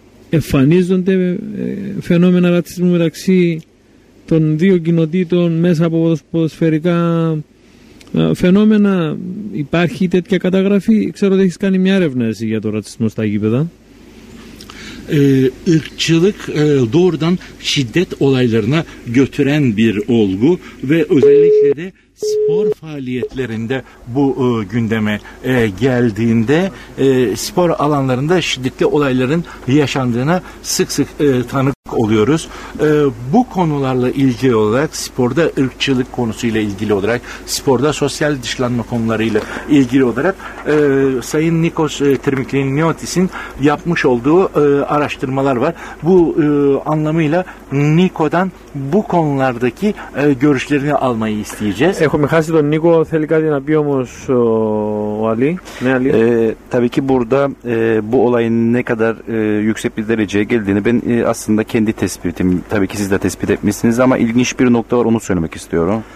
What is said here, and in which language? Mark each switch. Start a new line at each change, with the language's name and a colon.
Greek: Εμφανίζονται φαινόμενα ρατσισμού μεταξύ των δύο κοινοτήτων μέσα από ποδοσφαιρικά φαινόμενα. Υπάρχει τέτοια καταγραφή? Ξέρω ότι έχεις κάνει μια έρευνα εσύ για το ρατσισμό στα γήπεδα.
Turkish: Irkçılık doğrudan şiddet olaylarına götüren bir olgu ve özellikle de spor faaliyetlerinde bu gündeme geldiğinde spor alanlarında şiddetli olayların yaşandığına sık sık tanık oluyoruz. Bu konularla ilgili olarak, sporda ırkçılık konusuyla ilgili olarak, sporda sosyal dışlanma konularıyla ilgili olarak Sayın Nikos Trimiklinotis'in yapmış olduğu araştırmalar var. Bu anlamıyla Niko'dan bu konulardaki görüşlerini almayı isteyeceğiz.
Greek: Έχουμε χάσει τον Νίκο, θέλει κάτι να πει όμως ο Αλή. Ναι, Αλή.
Turkish: Tabii ki burada bu olayın ne kadar yüksek bir dereceye geldiğini ben aslında kendi tespitim, tabii ki siz de tespit etmişsiniz ama ilginç bir nokta var, onu söylemek istiyorum.